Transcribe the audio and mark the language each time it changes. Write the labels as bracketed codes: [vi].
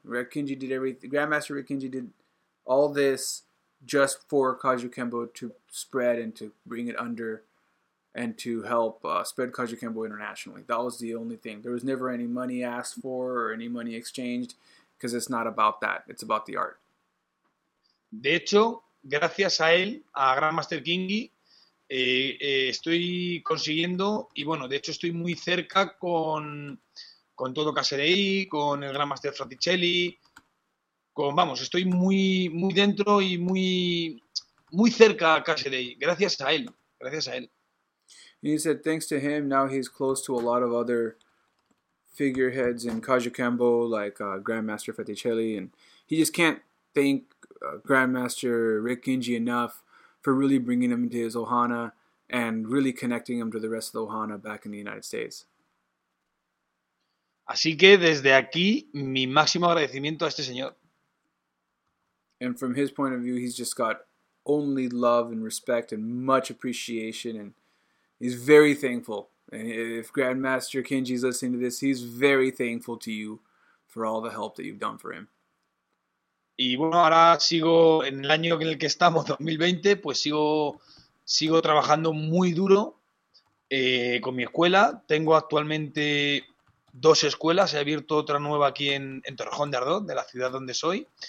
[en] Grandmaster Rick Kingy did all this just for Cayubembo to spread and to bring it under and to help spread Cayubembo internationally. That was the only thing. There was never any money asked for or any money exchanged because it's not about that. It's about the art. [es] De hecho, gracias a él, a Grandmaster Kingy, estoy consiguiendo, y bueno, de hecho estoy muy cerca con todo Caserey, con el Grandmaster Fraticelli, estoy muy, muy dentro y muy, muy cerca a Caserey, gracias a él, gracias a él. [en] He said, thanks to him, now he's close to a lot of other figureheads in Cayubembo, like Grandmaster Fraticelli, and he just can't think Grandmaster Rick Kingy enough for really bringing him to his Ohana and really connecting him to the rest of the Ohana back in the United States. [es] Así que desde aquí mi máximo agradecimiento a este señor. [en] And from his point of view, he's just got only love and respect and much appreciation, and he's very thankful. And if Grandmaster Kingy's listening to this, he's very thankful to you for all the help that you've done for him. [es] Y bueno, ahora sigo en el año en el que estamos, 2020, pues sigo trabajando muy duro con mi escuela. Tengo actualmente dos escuelas, he abierto otra nueva aquí en Torrejón de Ardoz, de la ciudad donde soy.